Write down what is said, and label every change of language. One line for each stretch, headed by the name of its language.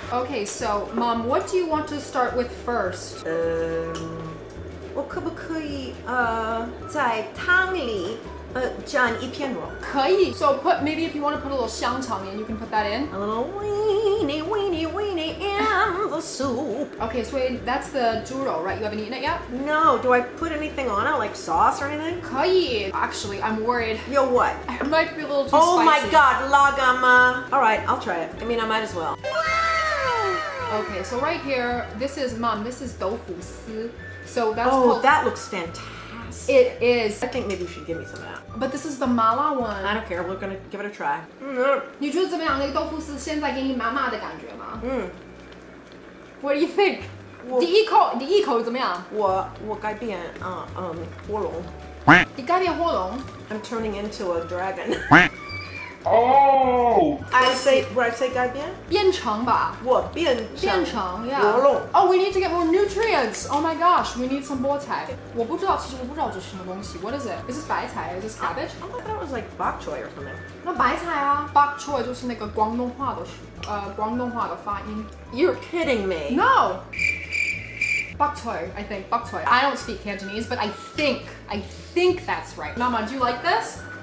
English: Okay, so mom, what do you want to start with first?
Chinese: 我可不可以在汤里蘸一片肉？可以。
English: So put maybe if you want to put a little 香肠 in, you can put that in. A little weenie, weenie, weenie in the soup. Okay, so that's the 猪肉, right? You haven't eaten it yet? No. Do I put anything on it, like sauce or anything?
Chinese: 可以。
English: Actually, I'm worried. Yo, what? It might be a little too oh spicy. Oh my God, lagama. All right, I'll try it. I mean, I might as well. Wow! Okay, so right here, this is, Mom, this is 豆腐丝.So that's called... Oh, that looks fantastic. It is. I think maybe you should give me some of that. But this is the mala one. I don't care. We're going to give it a try.
Chinese: Mm-hmm. 你觉得怎么样？那个豆腐丝现在给你麻麻的感觉吗？
English: 嗯。What do you think?
Chinese: 第一口怎么样？我改变火龙。你改变火龙？
English: I'm turning into a dragon. Oh! I say 改变？
Chinese: 变成吧。我变成。变成 ,yeah. 火龙。
English: Oh, we need to get more nutrients. Oh my gosh, we need some 菠菜。
Chinese: 我不知道，其实我不知道这是什么东西。
English: What is it? Is this 白菜?Is this cabbage? I thought that was like bok choy or something.
Chinese: 那白菜啊。Bok choy 就是那个广东话的广东话的发音。
English: You're kidding me. No! Bok choy, I think. Bok choy. I don't speak Cantonese, but I think that's right. Mama, do you like this?